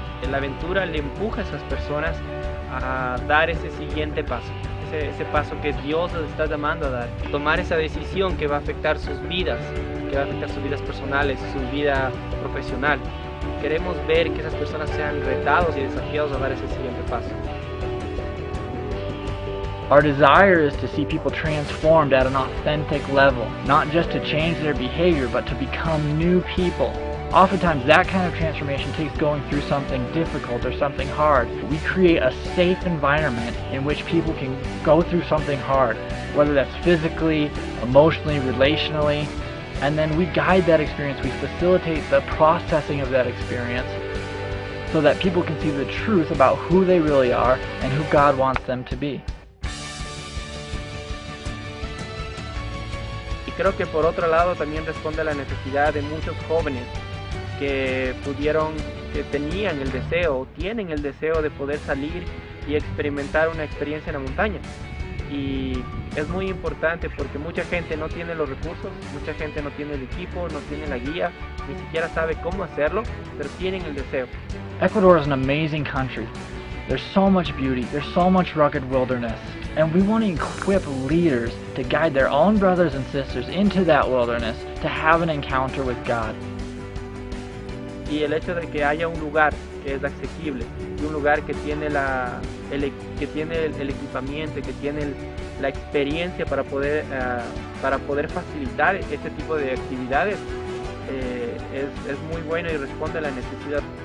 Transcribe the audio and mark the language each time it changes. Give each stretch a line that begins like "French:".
Spanish: La aventura le empuja a esas personas a dar ese siguiente paso, ese paso que Dios les está llamando a dar, tomar esa decisión que va a afectar sus vidas, que va a afectar sus vidas personales, su vida profesional. Queremos ver que esas personas sean retados y desafiados a dar ese siguiente paso.
English: Our desire is to see people transformed at an authentic level, not just to change their behavior, but to become new people. Oftentimes, that kind of transformation takes going through something difficult or something hard. We create a safe environment in which people can go through something hard, whether that's physically, emotionally, relationally, and then we guide that experience. We facilitate the processing of that experience so that people can see the truth about who they really are and who God wants them to be.
Spanish: Y creo que por otro lado también responde a la necesidad de muchos jóvenes que pudieron, que tenían el deseo, o tienen el deseo de poder salir y experimentar una experiencia en la montaña. Y es muy importante porque mucha gente no tiene los recursos, mucha gente no tiene el equipo, no tiene la guía, ni siquiera sabe cómo hacerlo, pero tienen el deseo.
English: Ecuador is an amazing country. There's so much beauty, there's so much rugged wilderness, and we want to equip leaders to guide their own brothers and sisters into that wilderness to have an encounter with God.
Spanish: Y el hecho de que haya un lugar que es accesible y un lugar que tiene el equipamiento, que tiene la experiencia para poder facilitar este tipo de actividades es muy bueno y responde a la necesidad.